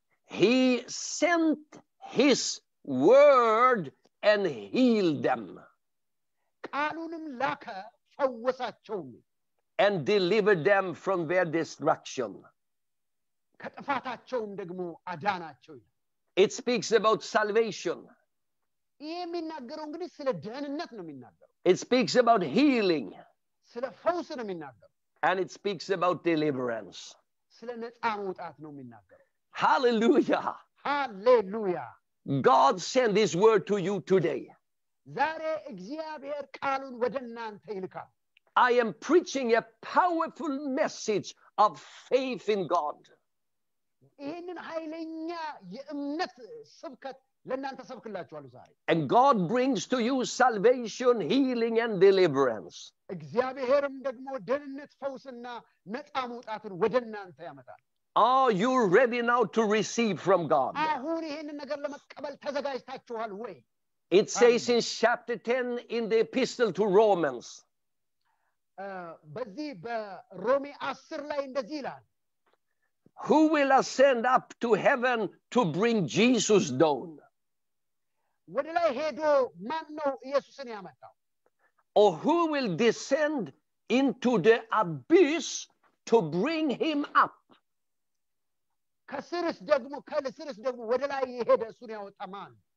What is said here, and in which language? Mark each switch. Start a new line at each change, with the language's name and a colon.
English: he sent his word and healed them
Amharic: ቃሉንም ላከ ፈወሳቸው
English: and delivered them from their destruction
Amharic: ከጥፋታቸውም ደግሞ አዳናቸው
English: it speaks about salvation
Amharic: የሚናገረው እንግዲህ ስለ ደህንነት ነው የሚናገረው
English: it speaks about healing
Amharic: ስለ ፈውስ ነው የሚናገረው
English: and it speaks about deliverance
Amharic: ስለ ነጻ መውጣት ነው የሚናገረው hallelujah hallelujah
English: god send this word to you today
Amharic: ዛሬ እግዚአብሔር ቃሉን ወደ እናንተ ይልካል
English: I am preaching a powerful message of faith in God.
Amharic: ይህንን ኃይለኛ የእምነት ስብከት ለእናንተ ሰብክላችኋለሁ ዛሬ.
English: And God brings to you salvation, healing and deliverance.
Amharic: እግዚአብሔርም ደግሞ ደህንነት ፈውስና ነጻ መውጣትን ወደ እናንተ ያመጣል.
English: Are you ready now to receive from God?
Amharic: አሁን ይህንን ነገር ለመቀበል ተዘጋጅታችኋል ወይ?
English: It says in chapter 10 in the epistle to Romans.
Amharic: በዚህ በሮሜ 10 ላይ እንደዚህ ይላል
English: Who will ascend up to heaven to bring Jesus down?
Amharic: ወደ ላይ ሄዶ ማን ነው ኢየሱስን ያመጣው?
English: Or who will descend into the abyss to bring him up?
Amharic: ከስርስ ደግሞ ወደ ላይ የሄደ እሱን ያወጣ ማን?